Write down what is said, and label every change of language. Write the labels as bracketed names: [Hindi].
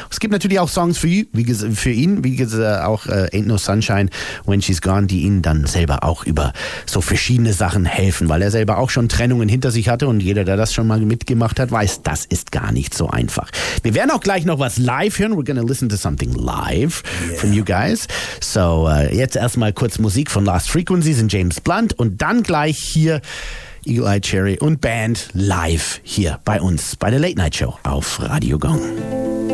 [German] Es gibt natürlich auch Songs für ihn, Ain't No Sunshine When She's Gone, die ihn dann selber auch über so verschiedene Sachen helfen. Weil er selber auch schon Trennungen hinter sich hatte und jeder, der das schon mal mitgemacht hat, weiß, das ist gar nicht so einfach. Wir werden auch gleich noch was live hören. [English] We're gonna listen to something live from you guys. [German] So, jetzt erstmal kurz Musik von Last Frequencies und James Blunt und dann gleich hier Eagle Eye Cherry und Band live hier bei uns bei der Late Night Show auf Radio Gong.